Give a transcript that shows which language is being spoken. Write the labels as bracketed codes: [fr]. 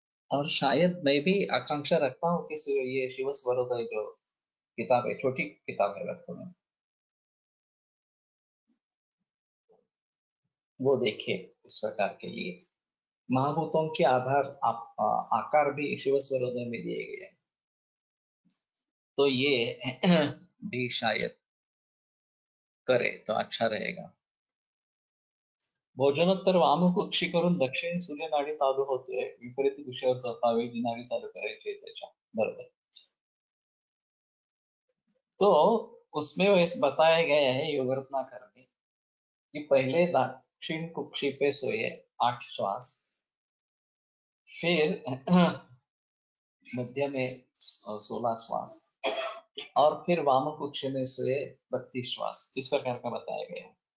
[hi] और शायद मैं भी आकांक्षा रखता हूँ कि ये शिव स्वरोदय जो किताब है, छोटी किताब है, रखता हूँ वो देखे इस प्रकार के लिए। महाभूतों के आधार आकार भी शिव स्वरोदय में दिए गए हैं, तो ये भी शायद करे तो अच्छा रहेगा। [mr] भोजनोत्तर वाम कक्षी करून दक्षिण सूर्य नाडी चालू होते, विपरीत दिशेवर सत्तावीस नाडी चालू करायची त्याच्या, बरोबर। [hi] तो उसमें वैसे बताया गया है योगरत्नाकर ने कि पहले दक्षिण कक्षी पे सोए 8 श्वास, फिर मध्य में 16 श्वास, और फिर वाम कक्ष में सोए 32 श्वास, इस प्रकार का बताया गया है।